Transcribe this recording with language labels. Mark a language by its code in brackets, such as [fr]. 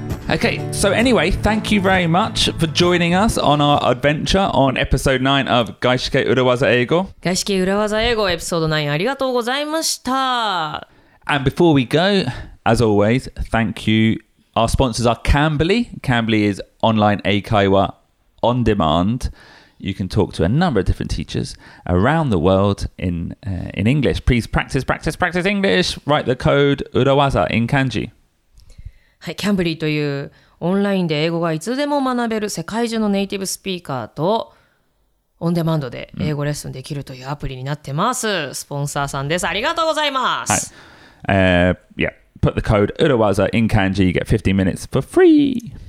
[en] Okay, so anyway, thank you very much for joining us on our adventure on episode 9 of 外資系裏技英語。 [ja] 外資系裏技英語エピソード9、ありがとうございました。 [en] And before we go, as always, thank you. Our sponsors are Cambly. Cambly is online 英会話 on demand. You can talk to a number of different teachers around the world in English. Please practice English. Write the code 裏技 in kanji. [ja] はい、キャンブリーというオンラインで英語がいつでも学べる世界中のネイティブスピーカーと、オンデマンドで英語レッスンできるというアプリになってます。スポンサーさんです。ありがとうございます。 [en] はい。Put the code URAWAZA in kanji, you get 15 minutes for free!